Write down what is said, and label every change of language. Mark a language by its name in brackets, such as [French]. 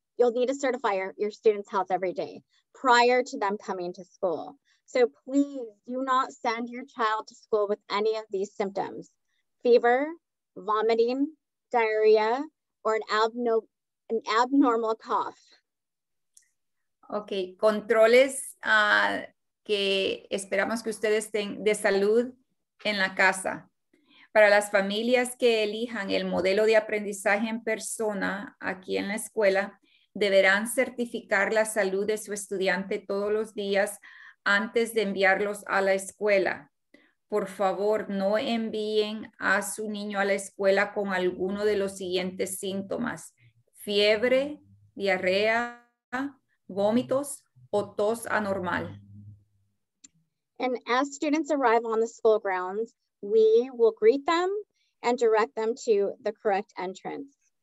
[English] you'll need a certifier, your student's health every day prior to them coming to school. So please do not send your child to school with any of these symptoms: fever, vomiting, diarrhea, or an abnormal cough. [Spanish] Okay, controles que esperamos que ustedes tengan de salud en la casa. Para las familias que elijan el modelo de aprendizaje en persona aquí en la escuela, deberán certificar la salud de su estudiante todos los días antes de enviarlos a la escuela. Por favor, no envíen a su niño a la escuela con alguno de los siguientes síntomas: fiebre, diarrea, vómitos o tos anormal. [English] And as students arrive on the school grounds, we will greet them and direct them to the correct entrance.